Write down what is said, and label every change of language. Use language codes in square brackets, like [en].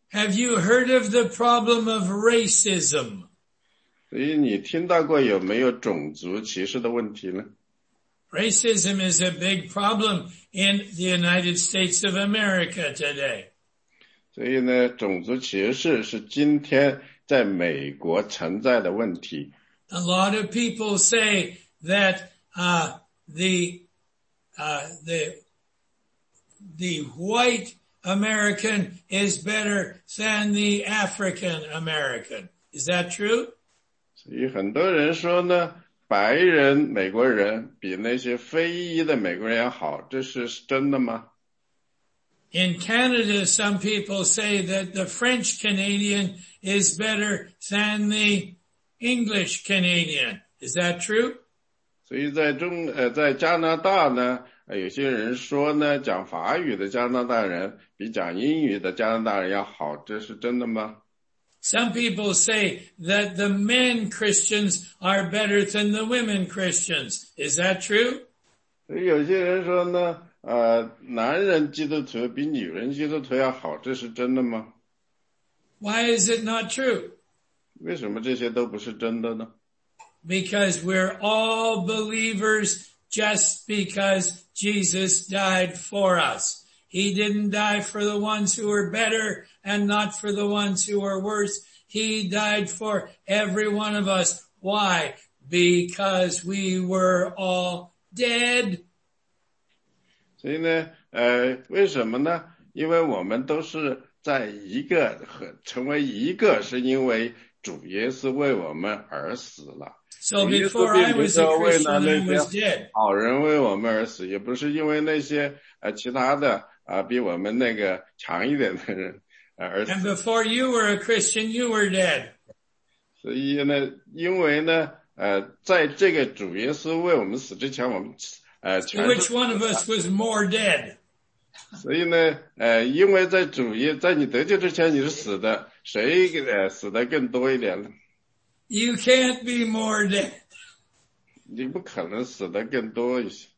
[en] Have you heard of the problem of racism? [zh] 所以你听到过有没有种族歧视的问题呢? [en] Racism is a big problem in the United States of America today. [zh] 所以呢, 种族歧视是今天在美国存在的问题。 [en] A lot of people say that the white American is better than the African American. Is that true? [zh] 所以很多人说呢, 白人, 美国人, 比那些非裔的美国人要好, 这是真的吗? [en] In Canada, some people say that the French Canadian is better than the English Canadian. Is that true? [zh] 所以在中, 在加拿大呢, 有些人说呢, 讲法语的加拿大人比讲英语的加拿大人要好, 这是真的吗? [en] Some people say that the men Christians are better than the women Christians. Is that true? [zh] 所以有些人说呢, 男人基督徒比女人基督徒要好, 这是真的吗? [en] Why is it not true? [zh] 为什么这些都不是真的呢? [en] Because we're all believers just because Jesus died for us. He didn't die for the ones who were better and not for the ones who were worse. He died for every one of us. Why? Because we were all dead. [zh] 所以呢, 为什么呢? 因为我们都是在一个, 成为一个是因为主耶稣为我们而死了。 [en] So before I was a Christian, I was dead. [zh] 好人为我们而死, 也不是因为那些, 其他的, 比我们那个强一点的人。 [en] And before you were a Christian, you were dead. [zh] 所以呢, 因为呢, 在这个主耶稣为我们死之前, 我们, [en] So which one of us was more dead? [zh] 所以呢, 因为在主耶, 在你得救之前你是死的, 谁, 死得更多一点呢? [en] You can't be more dead. [zh] 你不可能死得更多一些。